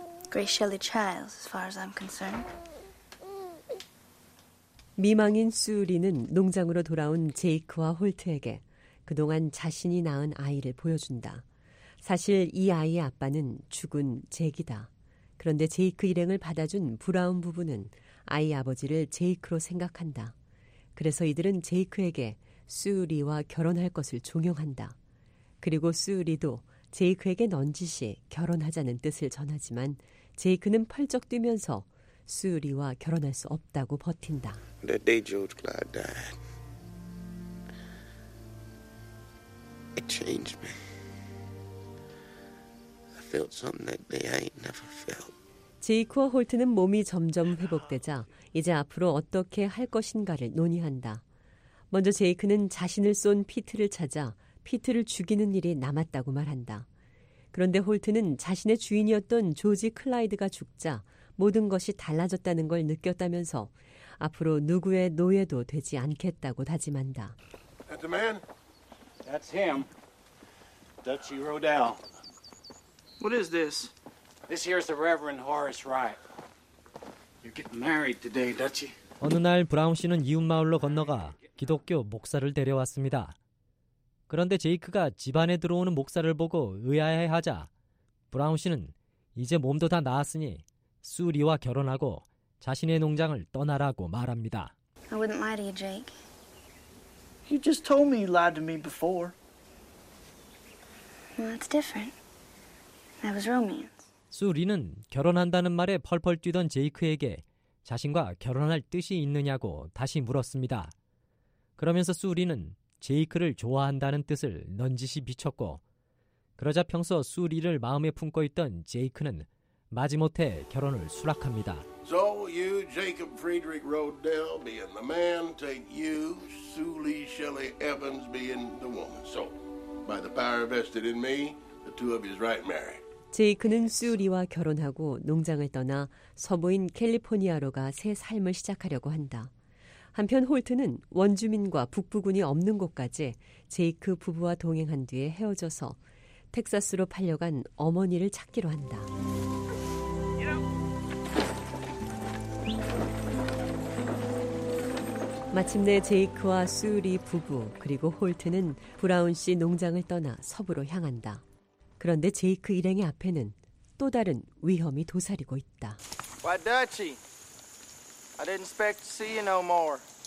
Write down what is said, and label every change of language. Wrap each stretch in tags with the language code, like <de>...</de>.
<en>Grace Shelley Childs, as far as I'm concerned.</en> <ko>미망인 수리는 농장으로 돌아온 제이크와 홀트에게 그동안 자신이 낳은 아이를 보여준다. 사실 이 아이의 아빠는 죽은 잭이다. 그런데 제이크 일행을 받아준 브라운 부부는 아이 아버지를 제이크로 생각한다. 그래서 이들은 제이크에게 수리와 결혼할 것을 종용한다. 그리고 수리도 제이크에게 넌지시 결혼하자는 뜻을 전하지만 제이크는 펄쩍 뛰면서 수리와 결혼할 수 없다고 버틴다.</ko> <en>The day George Clyde died, it changed me. I felt something that day I ain't never felt.</en> <ko>제이크와 홀트는 몸이 점점 회복되자 이제 앞으로 어떻게 할 것인가를 논의한다. 먼저 제이크는 자신을 쏜 피트를 찾아 피트를 죽이는 일이 남았다고 말한다. 그런데 홀트는 자신의 주인이었던 조지 클라이드가 죽자 모든 것이 달라졌다는 걸 느꼈다면서 앞으로 누구의 노예도 되지 않겠다고 다짐한다.</ko> <en>That's the man. That's him. Dutchy Rodell. What is this? This here's the Reverend Horace Wright. You're getting married today, Dutchy.</en> <ko>어느 날 브라운 씨는 이웃 마을로 건너가 기독교 목사를 데려왔습니다. 그런데 제이크가 집안에 들어오는 목사를 보고 의아해하자 브라운 씨는 이제 몸도 다 나았으니 수리와 결혼하고 자신의 농장을 떠나라고 말합니다.</ko> <en>I wouldn't lie to you, Jake. You just told me you lied to me before. Well, that's different. That was romance.</en> <ko>수리는 결혼한다는 말에 펄펄 뛰던 제이크에게 자신과 결혼할 뜻이 있느냐고 다시 물었습니다. 그러면서 수리는 제이크를 좋아한다는 뜻을 넌지시 비쳤고 그러자 평소 수리를 마음에 품고 있던 제이크는 마지못해 결혼을 수락합니다.</ko> <en>So you, Jacob Friedrich Rodell, being the man, take you, Sully Shelley Evans, being the woman. So, by the power vested in me, the two of you is right married.</en> <ko>제이크는 수리와 결혼하고 농장을 떠나 서부인 캘리포니아로 가 새 삶을 시작하려고 한다. 한편 홀트는 원주민과 북부군이 없는 곳까지 제이크 부부와 동행한 뒤에 헤어져서 텍사스로 팔려간 어머니를 찾기로 한다. Yeah. 마침내 제이크와 수리 부부 그리고 홀트는 브라운 씨 농장을 떠나 서부로 향한다. 그런데 제이크 일행의 앞에는 또 다른 위험이 도사리고 있다.</ko> <en>Why, Dutchy? I didn't expect to see you no more.</en>